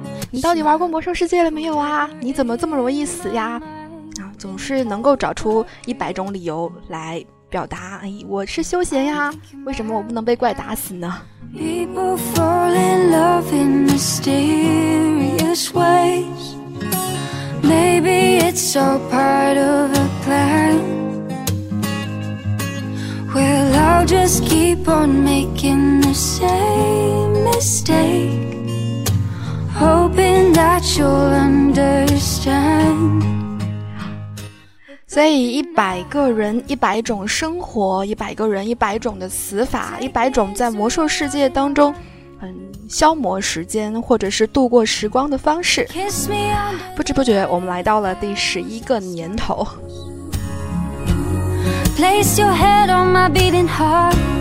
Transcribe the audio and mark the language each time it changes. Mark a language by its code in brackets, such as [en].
[zh] 你到底玩过魔兽世界了没有啊？你怎么这么容易死呀？总是能够找出100种理由来表达，哎，我是休闲呀，为什么我不能被怪打死呢？ [en] People fall in love in mysterious ways. Maybe it's all part of a plan. Well, I'll just keep on making the same mistake, hoping that you'll understand. [zh] 所以100个人100种生活，100个人100种的死法，100种在魔兽世界当中消磨时间或者是度过时光的方式。不知不觉我们来到了第11个年头。 [en] Place your head on my beating heart.